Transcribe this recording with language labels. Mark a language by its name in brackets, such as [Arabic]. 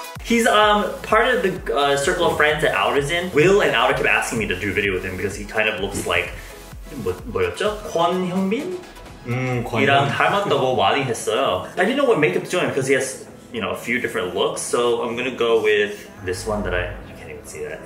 [English] He's part of the circle of friends that Aura's in. Will and Aura kept asking me to do a video with him because he kind of looks like... [Korean] 뭐였죠? Kwon 형빈? 이랑 닮았다고 많이 했어요. [English] I didn't know what makeup's doing because he has, you know, a few different looks. So I'm gonna go with this one that I can't even see that.